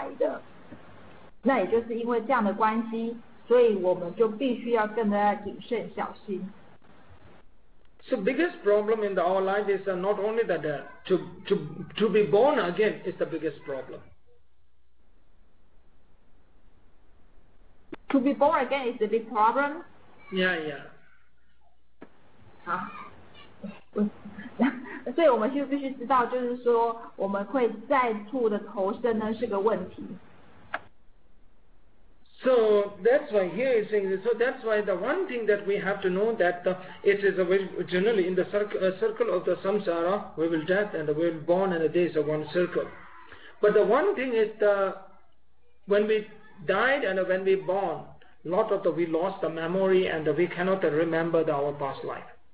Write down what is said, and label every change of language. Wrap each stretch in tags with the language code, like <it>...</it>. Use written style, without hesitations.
<zh>所以我们就是要去想，因为死亡是必定的，所以我们现在呢不能够是安逸的过日子哦，我们必须要去觉察到这个死亡呢是一定会来的，那也就是因为这样的关系。</zh> <en>So biggest problem in our life is not only the death, to be born again is the biggest problem. To be born again is the big problem? Yeah, yeah.</en> <zh>所以我们就必须知道就是说我们会再度的投生呢是个问题。</zh> <en>So that's why here he's saying this. So that's why the one thing that we have to know that the, it is a very, generally in the circle of the samsara, we will death and we will born and the days are one circle. But the one thing is the when we died and when we born, lot of the we lost the memory and we cannot remember the, our past life.</en>